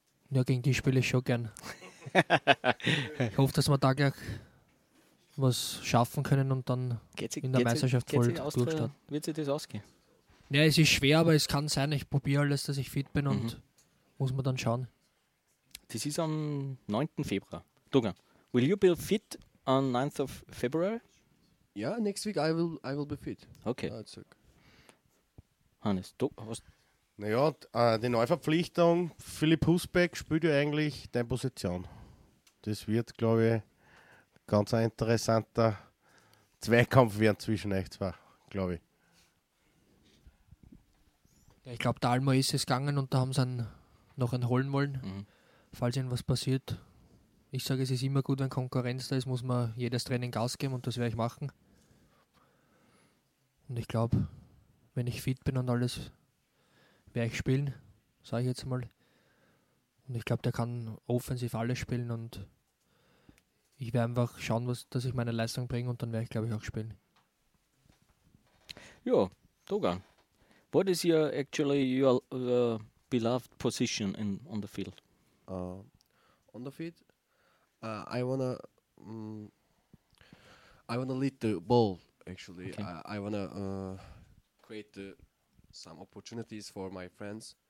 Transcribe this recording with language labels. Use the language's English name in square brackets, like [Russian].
[German] Ja, gegen die spiele ich schon gern. Ich hoffe, dass wir da gleich was schaffen können und dann Meisterschaft voll durchstarten. Wird sich das ausgehen? Ja, es ist schwer, aber es kann sein. Ich probiere alles, dass ich fit bin und muss man dann schauen. Das ist am 9. Februar. [English] Dogan, will you be fit on 9th of February? Ja, yeah, next week I will be fit. [German] Okay. Hannes, du hast... Naja, die Neuverpflichtung, Philipp Husbeck spielt ja eigentlich deine Position. Das wird, glaube ich, ganz ein interessanter Zweikampf werden zwischen euch zwei, glaube ich. Ich glaube, der Alma ist es gegangen und da haben sie noch einen holen wollen, falls ihnen was passiert. Ich sage, es ist immer gut, wenn Konkurrenz da ist, muss man jedes Training Gas geben und das werde ich machen. Und ich glaube, wenn ich fit bin und alles, werde ich spielen, sage ich jetzt mal. Und ich glaube, der kann offensiv alles spielen und ich werde einfach schauen, dass ich meine Leistung bringe und dann werde ich, glaube ich, auch spielen. Ja, Dogan. [English] What is your actually your beloved position in on the field? On the field, I wanna lead the ball. Actually, okay. I wanna create some opportunities for my friends.